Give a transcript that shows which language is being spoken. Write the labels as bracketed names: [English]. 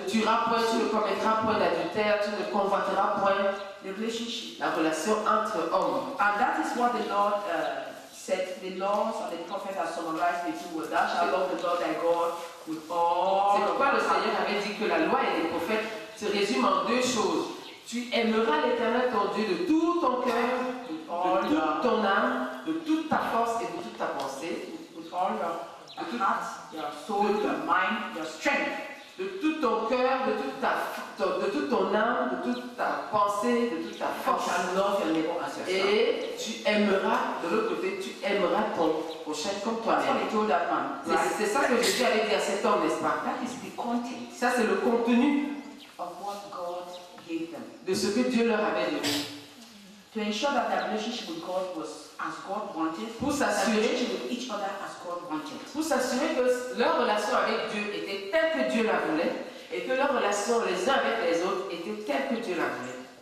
[French] Tu ne tueras point, tu ne commettras point d'adultère, tu ne convoiteras point. [English] The relationship. [French] La relation entre hommes. [English] And that is what the Lord said. The laws and the prophets have summarized the two words. Thou shalt love the Lord thy God. [French] C'est pourquoi le Seigneur avait dit que la loi et les prophètes se résument en deux choses. Tu aimeras l'Éternel ton Dieu de tout ton cœur, de toute ton âme, de toute ta force et de toute ta pensée. De tout ton cœur, de toute ton âme, de toute ta pensée, de toute ta force. Et tu aimeras, de l'autre côté, tu aimeras ton prochain comme toi-même. C'est ça que Jésus avait dit à cet homme, n'est-ce pas? [English] That is the content. [French] Ça, c'est le contenu [English] of what God gave them. [French] De ce que Dieu leur avait donné. [English] To ensure that their relationship with God was as God wanted, [French] pour s'assurer, [English] each other as God wanted. [French] Pour s'assurer que leur relation avec Dieu était telle que Dieu la voulait et que leur relation les uns avec les autres était telle que Dieu la voulait.